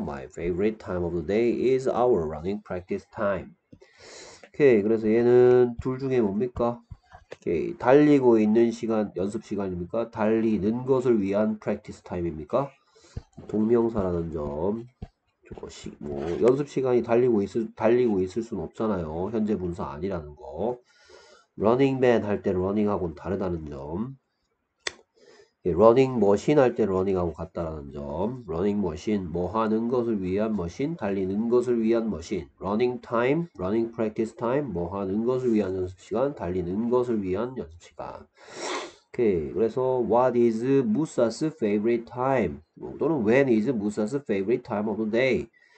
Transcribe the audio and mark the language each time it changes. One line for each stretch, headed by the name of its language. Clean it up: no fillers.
English: My favorite time of the day is our running practice time.
Korean: 오케이, 그래서 얘는 둘 중에 뭡니까? 오케이, 달리고 있는 시간 연습 시간입니까? 달리는 것을 위한 practice time입니까? 동명사라는 점. 뭐 연습 시간이 달리고 있을 순 없잖아요. 현재 분사 아니라는 거. Running man 할때 running하고는 다르다는 점. 러닝 머신 할때 러닝하고 같다라는 점. 러닝 머신, 뭐 하는 것을 위한 머신, 달리는 것을 위한 머신. 러닝 타임, 러닝 프랙티스 타임, 뭐 하는 것을 위한 연습 시간, 달리는 것을 위한 연습 시간. 오케이. 그래서
English: what is Musa's favorite time?
Korean: 또는
English: when is Musa's favorite time of the day?